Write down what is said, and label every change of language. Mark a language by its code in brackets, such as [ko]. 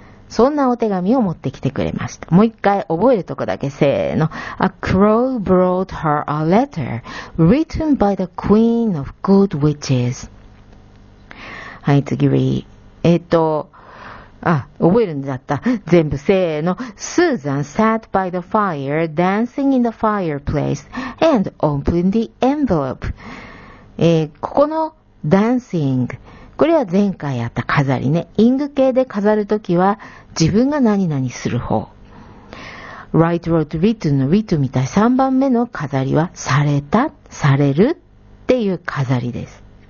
[ja] そんなお手紙を持ってきてくれました。もう一回覚えるとこだけ、せーの。 [en] A crow brought her a letter written by the queen of good witches。 [ja] はい、次、覚えるんだった。全部、せーの。 [en] Susan sat by the fire, dancing in the fireplace, and opened the envelope。 [ja] ここのダンシング。これは前回やった飾りね。イング形で飾るときは自分が何々する方。 [en] write, wrote, written [ja] の written みたい。 3番目の飾りはされた、されるっていう飾りです。